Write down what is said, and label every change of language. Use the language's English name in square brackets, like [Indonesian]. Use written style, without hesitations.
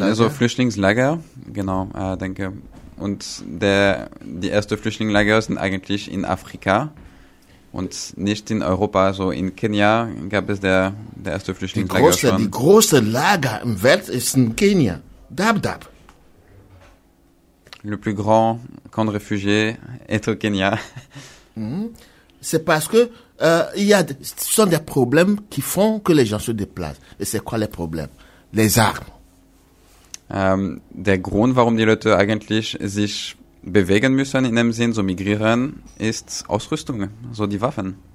[German] Flüchtlingslager, genau, danke. Und die erste Flüchtlingslager sind eigentlich in Afrika und nicht in Europa. Also in Kenia gab es der erste Flüchtlingslager schon. Die große Lager im Welt ist in Kenia. Dab. [French] Le plus grand camp de réfugiés est au Kenya. C'est parce que ce sont des problèmes qui font que les gens se déplacent. Et c'est quoi les problèmes? Les armes. [German] Der Grund, warum die Leute eigentlich sich bewegen müssen, in dem Sinn, so migrieren, ist Ausrüstung, so die Waffen.